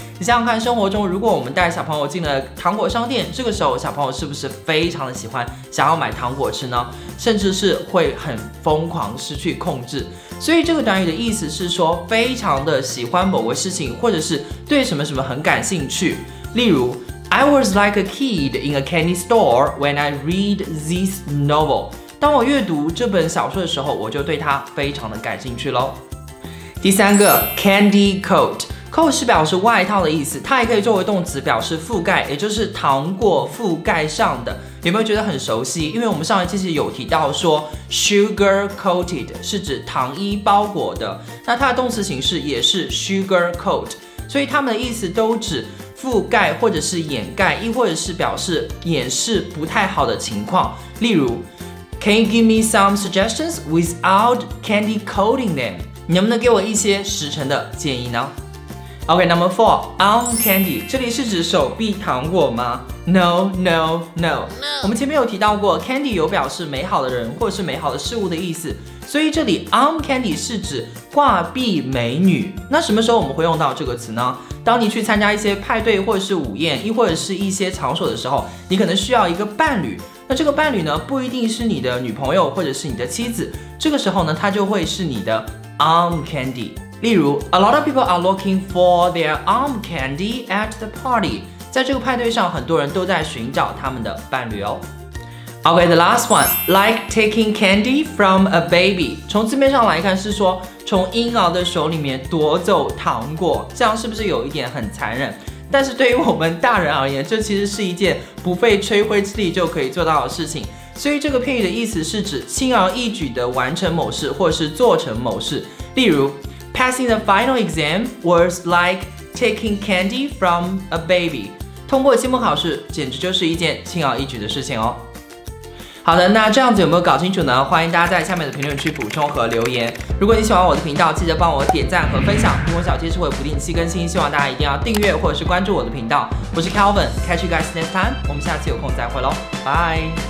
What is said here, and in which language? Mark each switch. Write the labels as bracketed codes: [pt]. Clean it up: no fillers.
[zh] 你想想看，生活中如果我们带小朋友进了糖果商店，这个时候小朋友是不是非常的喜欢，想要买糖果吃呢？甚至是会很疯狂，失去控制。所以这个短语的意思是说非常的喜欢某个事情，或者是对什么什么很感兴趣。例如 [en] I was like a kid in a candy store when I read this novel. [zh] 当我阅读这本小说的时候，我就对它非常的感兴趣咯。第三个 candy coat. Coat 是表示外套的意思，它也可以作为动词表示覆盖，也就是糖果覆盖上的。有没有觉得很熟悉？因为我们上一期是有提到说 sugar coated 是指糖衣包裹的，那它的动词形式也是 sugar coat， 所以它们的意思都指覆盖或者是掩盖，亦或者是表示掩饰不太好的情况。例如 [en] ，Can you give me some suggestions without candy coating them？ [zh] 你能不能给我一些实诚的建议呢 ？ [en] OK， number four， on candy， [zh] 这里是指手臂糖果吗 ？No， 我们前面有提到过 ，candy 有表示美好的人或者是美好的事物的意思，所以这里 on candy 是指挂壁美女。那什么时候我们会用到这个词呢？当你去参加一些派对或者是午宴，亦或者是一些场所的时候，你可能需要一个伴侣。那这个伴侣呢，不一定是你的女朋友或者是你的妻子。这个时候呢，她就会是你的 arm candy。例如 [en] ，A lot of people are looking for their arm candy at the party。 [zh] 在这个派对上，很多人都在寻找他们的伴侣哦。 [en] Okay, the last one, like taking candy from a baby. [zh] 从字面上来看是说从婴儿的手里面夺走糖果，这样是不是有一点很残忍？但是对于我们大人而言，这其实是一件不费吹灰之力就可以做到的事情。所以这个片语的意思是指轻而易举地完成某事或是做成某事。例如 [en] ,passing the final exam was like taking candy from a baby. [zh] 通过期末考试简直就是一件轻而易举的事情哦。好的，那这样子有没有搞清楚呢？欢迎大家在下面的评论区补充和留言。如果你喜欢我的频道，记得帮我点赞和分享。苹果小贴士会不定期更新，希望大家一定要订阅或者是关注我的频道。我是 Kelvin， [en] catch you guys next time， [zh] 我们下期有空再会咯，拜。